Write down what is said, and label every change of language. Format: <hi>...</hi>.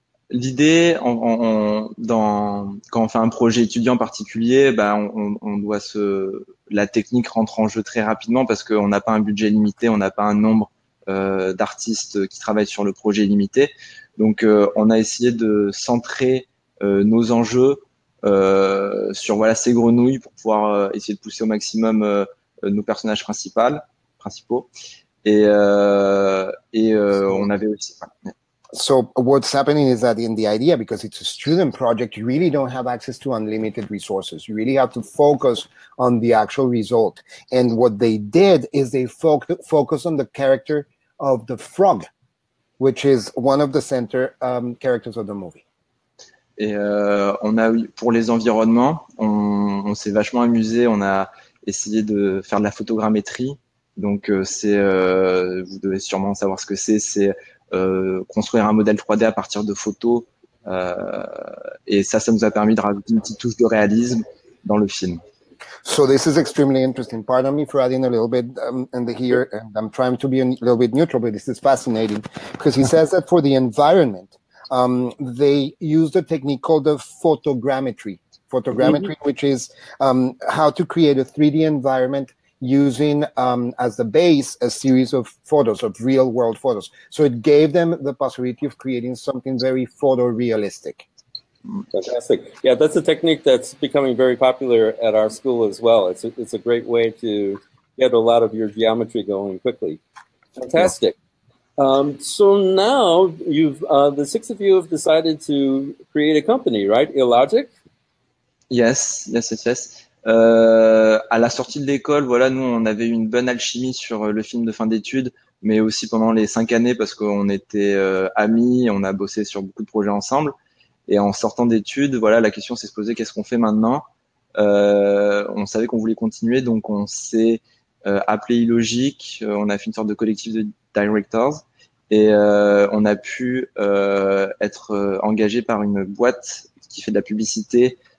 <fr>L'idée, quand on fait un projet étudiant particulier, bah on doit se la technique rentre en jeu très rapidement parce qu'on n'a pas un budget limité, on n'a pas un nombre d'artistes qui travaillent sur le projet limité. Donc, on a essayé de centrer nos enjeux sur voilà ces grenouilles pour pouvoir essayer de pousser au maximum nos personnages principaux. Et on avait aussi.</fr> <en>So what's happening is that in the idea, because it's a student project, you really don't have access to unlimited resources. You really have to focus on the actual result. And what they did is they focus on the character of the frog, which is one of the center characters of the movie.</en> <fr>Et on a pour les environnements, on s'est vachement amusé. On a essayé de faire de la photogrammétrie. Donc c'est vous devez sûrement savoir ce que c'est. C'est construire un modèle 3D à partir de photos et ça nous a permis de rajouter une petite touche de réalisme dans le film.</fr> <en>So this is extremely interesting. Pardon me for adding a little bit in the here, and I'm trying to be a little bit neutral, but this is fascinating because he says that for the environment, they used a technique called the photogrammetry. Photogrammetry, mm-hmm. which is how to create a 3D environment using as the base a series of photos, of real world photos. So it gave them the possibility of creating something very photorealistic. Fantastic. Yeah, that's a technique that's becoming very popular at our school as well. It's a great way to get a lot of your geometry going quickly. Fantastic. Yeah. So now the six of you have decided to create a company, right? Illogic? Yes.</en> <fr>À la sortie de l'école, voilà, nous on avait une bonne alchimie sur le film de fin d'études, mais aussi pendant les 5 années parce qu'on était amis, on a bossé sur beaucoup de projets ensemble. Et en sortant d'études, voilà, la question s'est posée, qu'est-ce qu'on fait maintenant? On savait qu'on voulait continuer, donc on s'est appelé Illogic, on a fait une sorte de collectif de directors et on a pu être engagé par une boîte qui fait de la publicité.</fr>